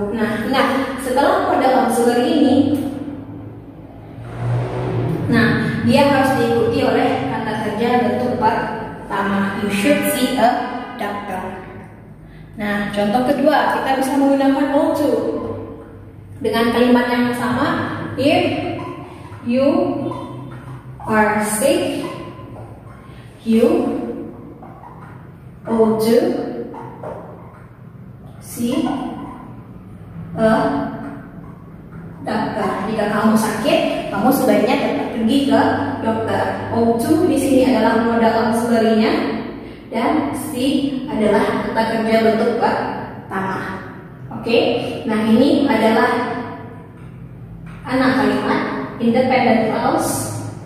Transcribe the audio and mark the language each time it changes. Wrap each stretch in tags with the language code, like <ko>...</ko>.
<id>Nah, ingat setelah pada auxiliary ini, nah dia harus diikuti oleh kata kerja bentuk pertama.</id> <en>You should see a doctor.</en> <id>Nah, contoh kedua kita bisa menggunakan all to dengan kalimat yang sama.</id> <en>If you are sick, you ought to see a doctor.</en> <id>Jika kamu sakit, kamu sebaiknya tetap pergi ke dokter. Ought to di sini adalah modal auxiliary-nya dan see adalah kata kerja bentuk pertama. Oke, okay? Nah ini adalah anak kalimat independent clause.</id>